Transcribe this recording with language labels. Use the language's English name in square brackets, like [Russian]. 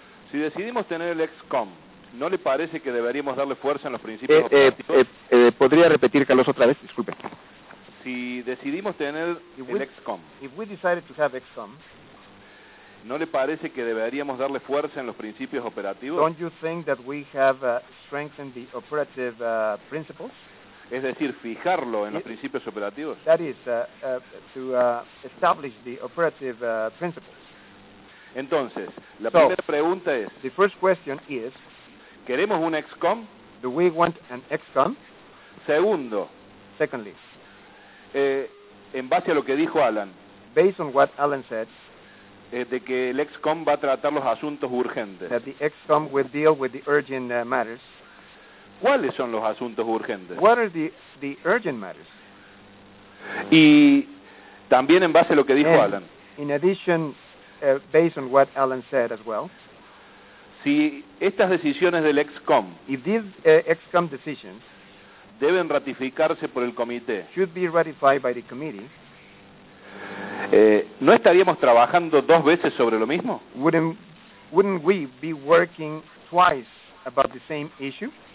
[Spanish] Si decidimos tener el XCOM, ¿no le parece que deberíamos darle fuerza en los principios operativos? ¿Podría repetir, Carlos, otra vez? Disculpe. Si Si decidimos tener el XCOM, [English] if we decided to have XCOM, [Spanish] ¿no le parece que deberíamos darle fuerza en los principios operativos? [English] Don't you think that we have strengthened the operative principles? [Spanish] Es decir, fijarlo en los principios operativos. [English] That is to establish the operative principles. [Spanish] Entonces, la primera pregunta es: [English] the first question is, [Spanish] ¿queremos un XCOM? [English] Do we want an XCOM? [Spanish] Segundo. [English] Secondly. [Spanish] En base a lo que dijo Alan. [English] Based on what Alan said. [Spanish] De que el XCOM va a tratar los asuntos urgentes. [English] That the XCOM will deal with the urgent matters. [Spanish] ¿Cuáles son los asuntos urgentes? [English] What are the urgent matters? [Spanish] Y también en base a lo que dijo [English] And Alan. In addition, based on what Alan said as well. [Spanish] Si estas decisiones del XCOM. [English] If these XCOM decisions. [Spanish] Deben ratificarse por el comité. [English] Should be ratified by the committee. [Spanish] ¿No estaríamos trabajando dos veces sobre lo mismo? [English] Wouldn't we be working twice about the same issue?